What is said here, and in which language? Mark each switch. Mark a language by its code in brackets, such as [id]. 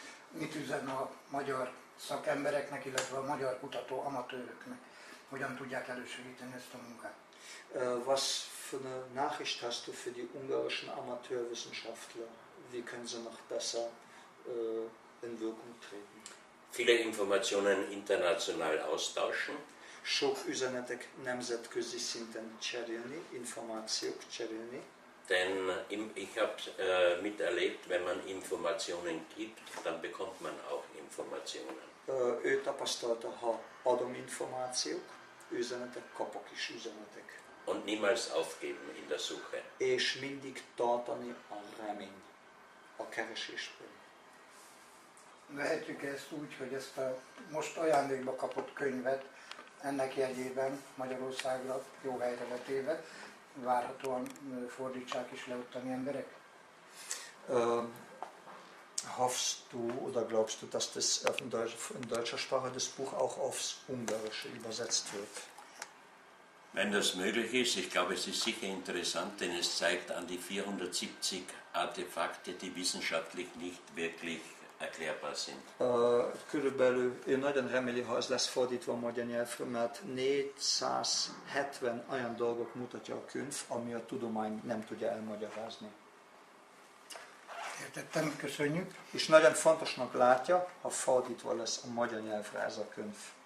[hu] Mit üzen a magyar szakembereknek, illetve a magyar kutató amatőröknek? Hogyan tudják elősegíteni ezt a munkát? [de] Was für eine Nachricht hast du für die ungarischen Amateurwissenschaftler? Wie können sie noch besser in Wirkung treten? Viele Informationen international austauschen. [hu] Sok üzenetek nemzetközi szinten cserélni, információk cserélni. [de] Denn ich habe miterlebt, wenn man Informationen gibt, dann bekommt man auch Informationen. [hu] Ő tapasztalta, ha adom információk, üzenetek, kapok is üzenetek. [de] Und niemals aufgeben in der Suche. [hu] És mindig tartani a remény, a keresésből. Lehetjük ezt úgy, hogy ezt a most ajándékba kapott könyvet, ennek jegyében Magyarországra jó helyre vetéve várhatóan fordítsák is le ottani emberek? [de] hoffst du oder glaubst du, dass das in deutscher Sprache das Buch auch aufs Ungarische übersetzt wird? Wenn das möglich ist, ich glaube, es ist sicher interessant, denn es zeigt an die 470 Artefakte, die wissenschaftlich nicht wirklich erklärbar sind. [hu] Körülbelül én nagyon remélem, ha ez lesz fordítva a magyar nyelvre, mert 470 olyan dolgot mutatja a könyv, ami a tudomány nem tudja elmagyarázni. Értettem, köszönjük. És nagyon fontosnak látja, ha fordítva lesz a magyar nyelvre ez a könyv.